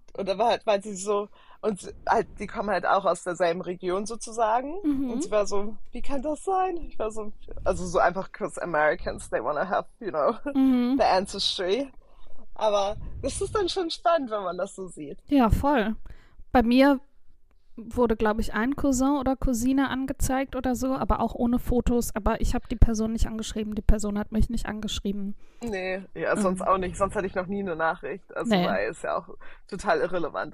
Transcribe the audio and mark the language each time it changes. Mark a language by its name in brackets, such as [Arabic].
[German] Und da war halt, weil sie so, und halt, die kommen halt auch aus derselben Region sozusagen. Und sie war so, wie kann das sein? Ich war so, also so einfach, [English] because Americans, they want to have, you know, the ancestry. [German] Aber es ist dann schon spannend, wenn man das so sieht. Ja, voll. Bei mir wurde, glaube ich, ein Cousin oder Cousine angezeigt oder so, aber auch ohne Fotos. Aber ich habe die Person nicht angeschrieben. Die Person hat mich nicht angeschrieben. Nee, ja, sonst auch nicht. Sonst hatte ich noch nie eine Nachricht. Also, weil ist ja auch total irrelevant.